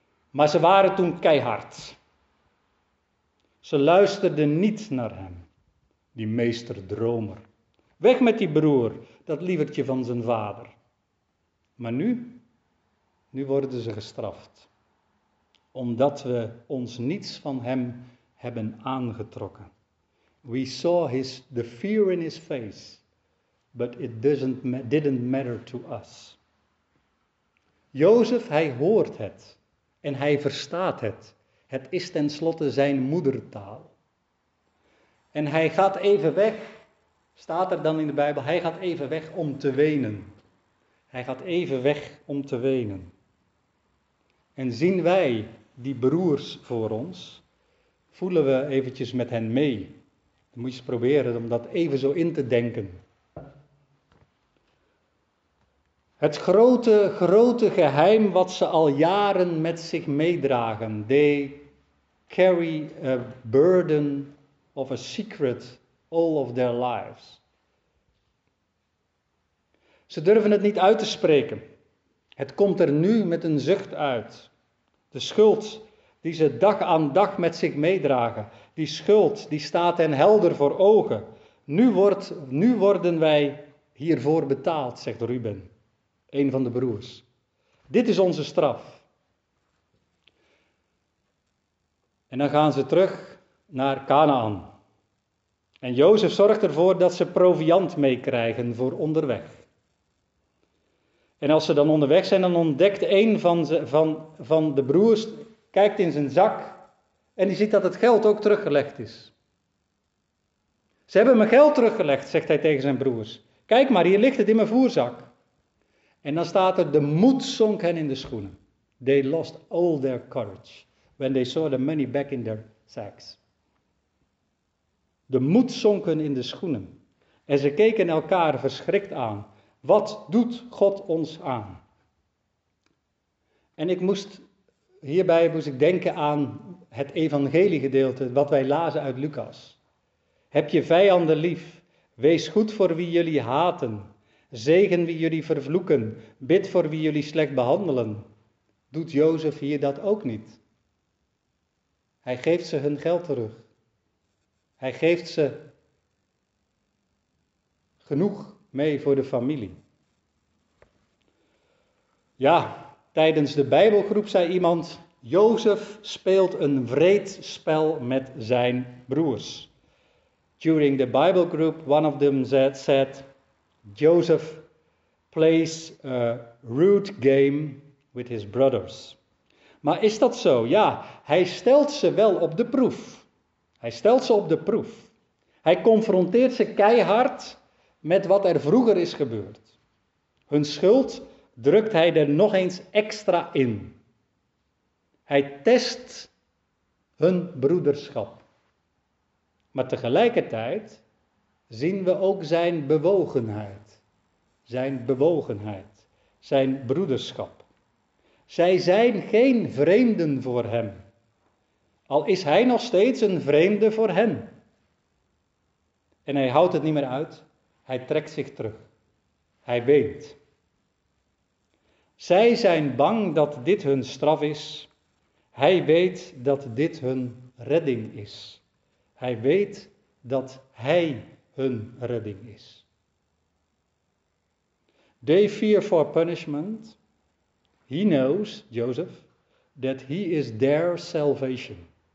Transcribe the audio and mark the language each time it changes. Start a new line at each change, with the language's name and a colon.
Dutch: Maar ze waren toen keihard. Ze luisterden niet naar hem, die meesterdromer. Weg met die broer, dat lievertje van zijn vader. Maar nu worden ze gestraft. Omdat we ons niets van hem hebben aangetrokken.
English: We saw the fear in his face, but it didn't matter to us.
Dutch: Jozef, hij hoort het. En hij verstaat het. Het is tenslotte zijn moedertaal. En hij gaat even weg, staat er dan in de Bijbel, hij gaat even weg om te wenen. Hij gaat even weg om te wenen. En zien wij die broers voor ons, voelen we eventjes met hen mee. Dan moet je eens proberen om dat even zo in te denken. Het grote, grote geheim wat ze al jaren met zich meedragen.
English: They carry a burden of a secret all of their lives.
Dutch: Ze durven het niet uit te spreken. Het komt er nu met een zucht uit. De schuld die ze dag aan dag met zich meedragen. Die schuld die staat hen helder voor ogen. Nu worden wij hiervoor betaald, zegt Ruben. Een van de broers. Dit is onze straf. En dan gaan ze terug naar Kanaan. En Jozef zorgt ervoor dat ze proviant meekrijgen voor onderweg. En als ze dan onderweg zijn, dan ontdekt een van de broers, kijkt in zijn zak en die ziet dat het geld ook teruggelegd is. Ze hebben mijn geld teruggelegd, zegt hij tegen zijn broers. Kijk maar, hier ligt het in mijn voerzak. En dan staat er, de moed zonk hen in de schoenen.
English: They lost all their courage when they saw the money back in their sacks.
Dutch: De moed zonk hen in de schoenen. En ze keken elkaar verschrikt aan. Wat doet God ons aan? En hierbij moest ik denken aan het evangeliegedeelte wat wij lazen uit Lucas. Heb je vijanden lief, wees goed voor wie jullie haten. Zegen wie jullie vervloeken, bid voor wie jullie slecht behandelen. Doet Jozef hier dat ook niet? Hij geeft ze hun geld terug. Hij geeft ze genoeg mee voor de familie. Ja, tijdens de Bijbelgroep zei iemand, Jozef speelt een wreed spel met zijn broers.
English: During the Bible group, one of them said, Joseph plays a rude game with his brothers.
Dutch: Maar is dat zo? Ja, hij stelt ze wel op de proef. Hij stelt ze op de proef. Hij confronteert ze keihard met wat er vroeger is gebeurd. Hun schuld drukt hij er nog eens extra in. Hij test hun broederschap. Maar tegelijkertijd zien we ook zijn bewogenheid. Zijn bewogenheid, zijn broederschap. Zij zijn geen vreemden voor hem, al is hij nog steeds een vreemde voor hen. En hij houdt het niet meer uit. Hij trekt zich terug. Hij weent. Zij zijn bang dat dit hun straf is. Hij weet dat dit hun redding is. Hij weet dat hij hun redding is.
English: They fear for punishment. He knows, Joseph, that he is their salvation.